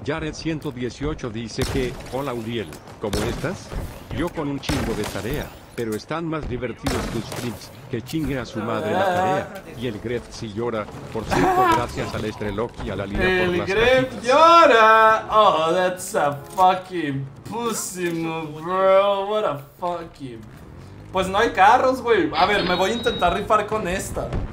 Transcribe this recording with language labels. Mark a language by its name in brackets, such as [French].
[Spanish] Jared118 dice que, hola Uriel, ¿cómo estás? Yo con un chingo de tarea, pero están más divertidos tus streams, que chingue a su madre la tarea. Y el Gref sí llora, por cierto, gracias al Estreloc y a la Lina por las cajitas. ¡El Gref llora! [English] Oh, that's a fucking pussy move, bro. What a fucking... [Spanish] Pues no hay carros, güey. A ver, me voy a intentar rifar con esta.